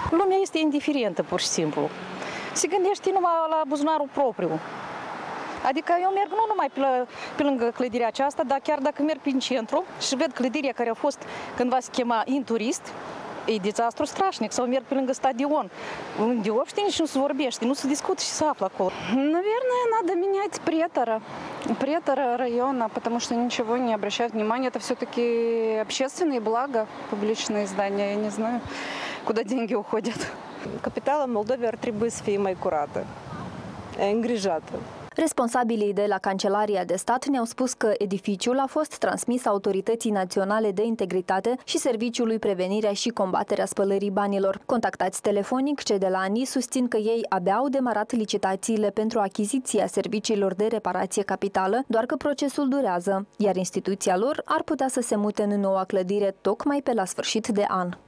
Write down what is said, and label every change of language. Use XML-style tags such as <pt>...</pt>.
<ro>Lumea este indiferentă, pur și simplu. Se gândește numai la buzunarul propriu. Adică eu merg nu numai pe lângă clădirea aceasta, dar chiar dacă merg prin centru și văd clădirea care a fost cândva se chema Inturist, e dezastru strașnic, sau merg pe lângă stadion, unde obștii nici nu se vorbește, nu se discută și se află acolo.</ro> <ru>Наверное, надо менять претора. Претора района, потому что ничего не обращают внимания. Это все-таки общественные блага, публичные здания. Я не знаю, куда деньги уходят.</ru> <ro>Капитала Молдови ар трибуи сфи май курата. Енгрижата. Responsabilii de la Cancelaria de Stat ne-au spus că edificiul a fost transmis Autorității Naționale de Integritate și Serviciului Prevenirea și Combaterea Spălării Banilor. Contactați telefonic, cei de la ANI susțin că ei abia au demarat licitațiile pentru achiziția serviciilor de reparație capitală, doar că procesul durează, iar instituția lor ar putea să se mute în noua clădire tocmai pe la sfârșit de an.</ro>